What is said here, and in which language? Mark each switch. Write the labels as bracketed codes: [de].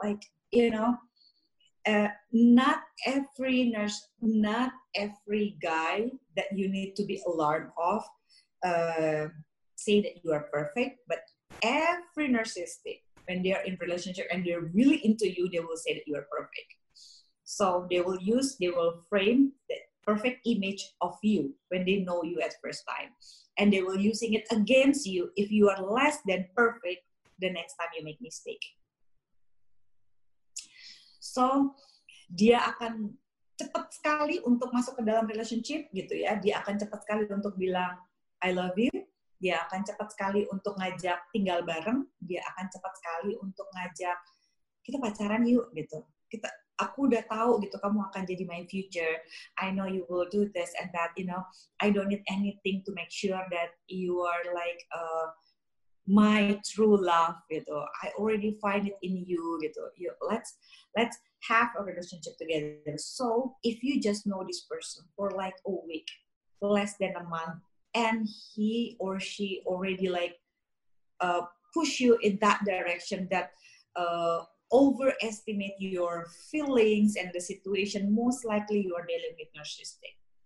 [en] Like, you know, not every guy that you need to be alarmed of say that you are perfect, but every narcissistic, when they are in relationship and they're really into you, they will say that you are perfect. So they will frame the perfect image of you when they know you at first time. And they will using it against you if you are less than perfect the next time you make mistake. [id] So dia akan cepat sekali untuk masuk ke dalam relationship gitu ya. Dia akan cepat sekali untuk bilang, [en] I love you. [id] Dia akan cepat sekali untuk ngajak tinggal bareng, dia akan cepat sekali untuk ngajak kita pacaran yuk gitu. Aku udah tahu gitu kamu akan jadi [en] my future. I know you will do this and that, you know. I don't need anything to make sure that you are like my true love gitu. I already find it in you gitu. You, let's have a relationship together. So, if you just know this person for like a week, less than a month, and he or she already like push you in that direction, that overestimate your feelings and the situation, most likely you are dealing with narcissistic.